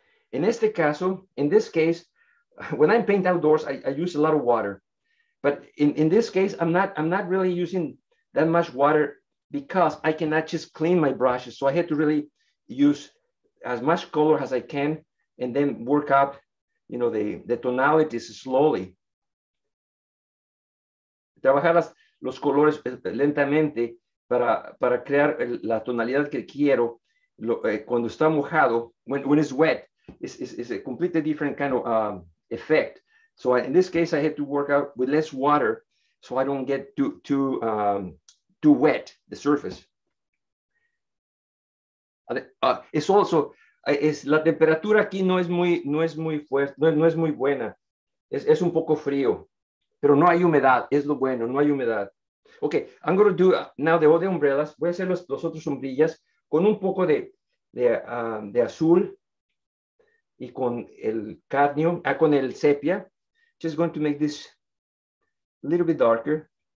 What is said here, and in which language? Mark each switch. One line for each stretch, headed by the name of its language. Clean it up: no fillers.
Spanish: En este caso,
English: in this case, when I'm painting outdoors, I use a lot of water. But in this case, I'm not really using that much water because I cannot just clean my brushes. So I had to really use as much color as I can and then work up, you know, the tonalities slowly.
Spanish: Trabajar los colores lentamente para crear la tonalidad que quiero cuando está mojado.
English: When it's wet, it's a completely different kind of effect. So in this case, I had to work out with less water so I don't get too wet the surface. It's also,
Spanish: la temperatura aquí no es muy fuerte, no es muy buena. Es un poco frío. Pero no hay humedad, es lo bueno, no hay humedad.
English: Okay, I'm going to do now the other umbrellas.
Spanish: Voy a hacer los otros sombrillas con un poco de azul y con el cadmio, con el sepia.
English: Just going to make this a little bit darker.